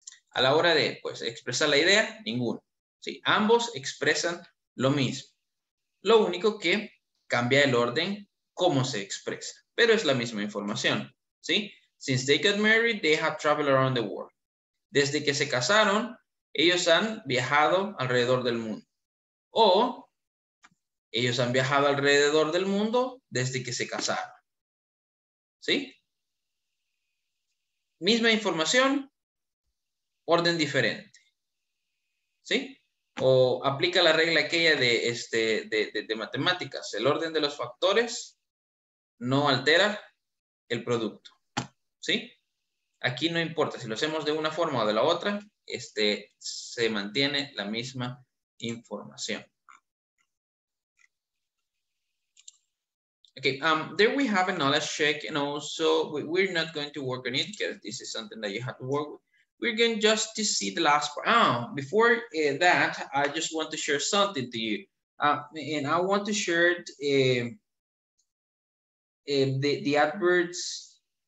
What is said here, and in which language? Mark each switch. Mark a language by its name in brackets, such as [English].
[Spanish] A la hora de expresar la idea, ninguno. Sí, ambos expresan lo mismo. Lo único que cambia el orden, cómo se expresa. Pero es la misma información. ¿Sí? [English] Since they got married, they have traveled around the world. [Spanish] Desde que se casaron, ellos han viajado alrededor del mundo. O ellos han viajado alrededor del mundo desde que se casaron. ¿Sí? Misma información, orden diferente. ¿Sí? O aplica la regla aquella de matemáticas. El orden de los factores no altera el producto. ¿Sí? Aquí no importa si lo hacemos de una forma o de la otra, se mantiene la misma información. [English] Okay, there we have a knowledge check, and also we're not going to work on it because this is something that you have to work with. We're going just to see the last part. Oh, before that, I just want to share something to you. And I want to share the adverbs